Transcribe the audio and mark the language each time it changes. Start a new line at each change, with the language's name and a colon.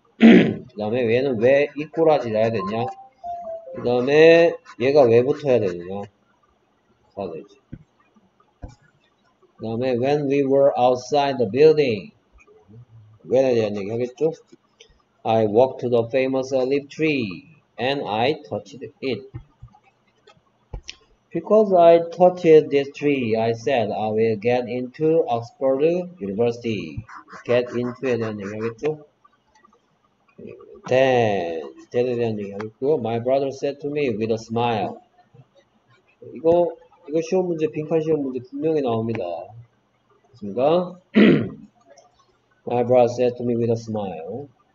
Korean: 그 다음에 얘는 왜이 꼬라지 놔야 되냐? 그 다음에 얘가 왜 붙어야 되느냐?
English: College.
Korean: 그 다음에
English: when we were outside the building.
Korean: when에 대한 얘기 하겠죠?
English: I walked to the famous olive tree and I touched it. Because I touched this tree, I said I will get into Oxford University.
Korean: get into에 대한 얘기 하겠죠? Then에 대한 얘기 하겠고요.
English: My brother said to me with a smile.
Korean: 이거 시험 문제, 빈칸 시험 문제 분명히 나옵니다. 그렇습니까?
English: My brother said to me with a smile.